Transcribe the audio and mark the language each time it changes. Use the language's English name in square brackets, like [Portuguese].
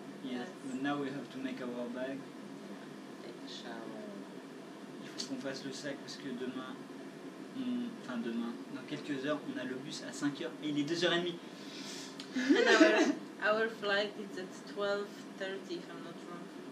[English] Yes, but now we have to make our bag. Take a shower. [French] Il faut qu'on fasse le sac parce que demain, enfin demain, dans quelques heures, on a le bus à 5h et il est 2h30. [English] And our flight is at 12:30 if I'm not wrong.